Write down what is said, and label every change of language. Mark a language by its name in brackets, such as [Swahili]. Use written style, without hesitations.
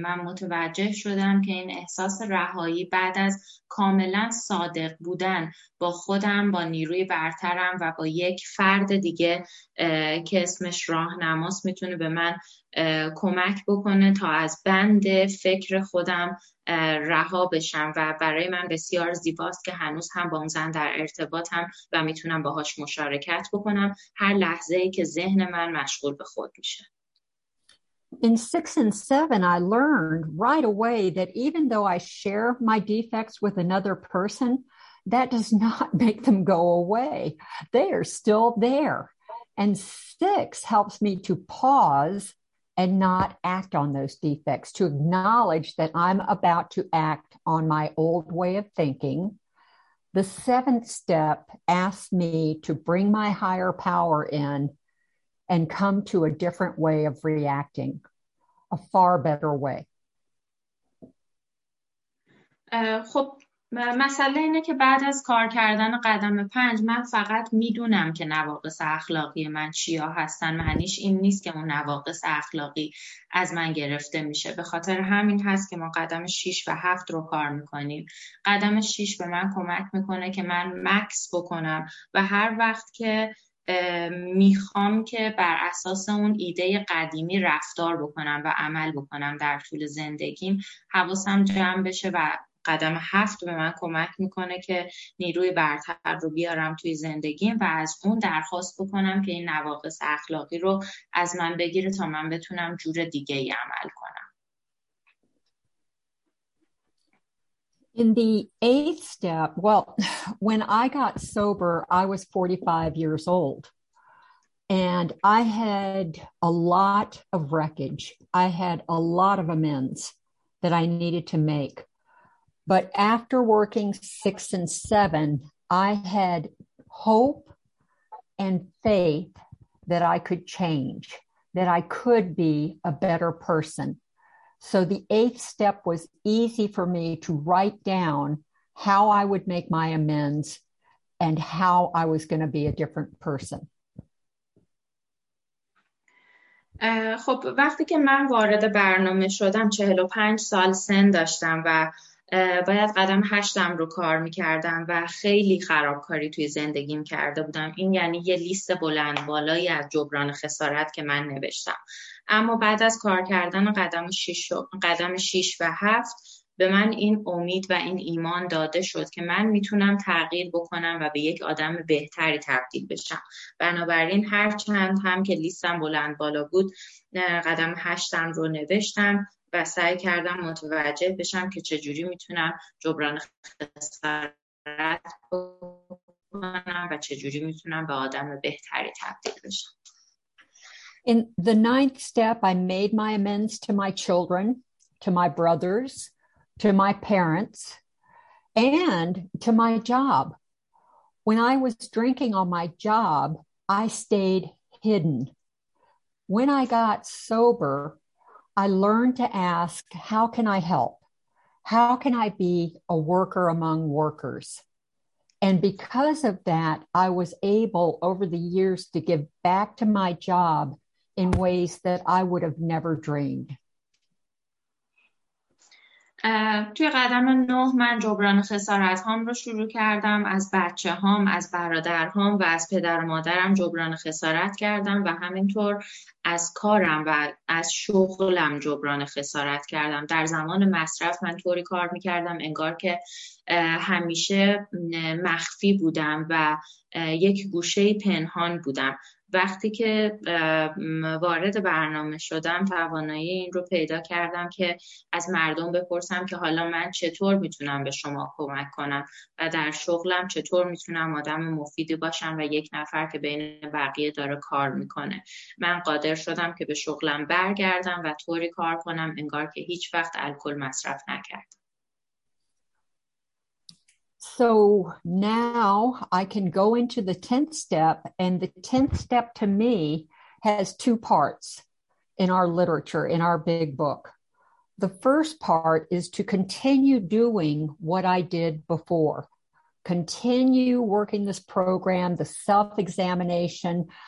[Persian] من متوجه شدم که این احساس رهایی بعد از کاملا صادق بودن با خودم، با نیروی برترم و با یک فرد دیگه که اسمش راهنماست میتونه به من کمک بکنه تا از بند فکر خودم رها بشم و برای من بسیار زیباست که هنوز هم با اون زن در ارتباطم و میتونم باهاش مشارکت بکنم هر لحظه ای که ذهن من مشغول به خود میشه. [English] In 6 and 7, I learned right away that even though I share my defects with another person, that does not make them go away. They are still there. And 6 helps me to pause and not act on those defects, to acknowledge that I'm about to act on my old way of thinking. The 7th step asks me to bring my higher power in and come to a different way of reacting, a far better way. [Persian] خب مسئله اینه که بعد از کار کردن قدم 5 من فقط میدونم که نواقص اخلاقی من چیا هستن. معنیش این نیست که اون نواقص اخلاقی از من گرفته میشه. به خاطر همین هست که ما قدم 6 و 7 رو کار میکنیم. قدم 6 به من کمک میکنه که من مکس بکنم و هر وقت که میخوام که بر اساس اون ایده قدیمی رفتار بکنم و عمل بکنم در طول زندگیم حواسم جمع بشه و قدم 7 به من کمک میکنه که نیروی برتر رو بیارم توی زندگیم و از اون درخواست بکنم که این نواقص اخلاقی رو از من بگیره تا من بتونم جور دیگه ای عمل کنم. [English] In the 8th step, well, when I got sober, I was 45 years old, and I had a lot of wreckage. I had a lot of amends that I needed to make. But after working 6 and 7, I had hope and faith that I could change, that I could be a better person. So the 8th step was easy for me to write down how I would make my amends and how I was going to be a different person. [Persian] خب وقتی که من وارد برنامه شدم 45 سال سن داشتم و باید قدم هشتم رو کار میکردم و خیلی خرابکاری توی زندگیم کرده بودم. این یعنی یه لیست بلند بالایی از جبران خسارت که من نوشتم. اما بعد از کار کردن قدم شیش و هفت به من این امید و این ایمان داده شد که من میتونم تغییر بکنم و به یک آدم بهتری تبدیل بشم. بنابراین هر چند هم که لیستم بلند بالا بود، قدم هشتم رو نوشتم و سعی کردم متوجه بشم که چجوری میتونم جبران خسارت بکنم و چجوری میتونم به آدم بهتری تبدیل بشم. [English] In the ninth step, I made my amends to my children, to my brothers, to my parents, and to my job. When I was drinking on my job, I stayed hidden. When I got sober, I learned to ask, how can I help? How can I be a worker among workers? And because of that, I was able over the years to give back to my job in ways that I would have never dreamed. [Persian] توی قدم نه من جبران خسارت هام رو شروع کردم. از بچه هام، از برادر هام و از پدر و مادرم جبران خسارت کردم و همینطور از کارم و از شغلم جبران خسارت کردم. در زمان مصرف من طوری کار میکردم انگار که همیشه مخفی بودم و یک گوشهی پنهان بودم. وقتی که وارد برنامه شدم توانایی این رو پیدا کردم که از مردم بپرسم که حالا من چطور میتونم به شما کمک کنم و در شغلم چطور میتونم آدم مفیدی باشم و یک نفر که بین بقیه داره کار میکنه. من قادر شدم که به شغلم برگردم و طوری کار کنم انگار که هیچ وقت الکل مصرف نکردم. [English] So now I can go into the 10th step, and the 10th step to me has two parts in our literature, in our big book. The first part is to continue doing what I did before, continue working this program, the self-examination.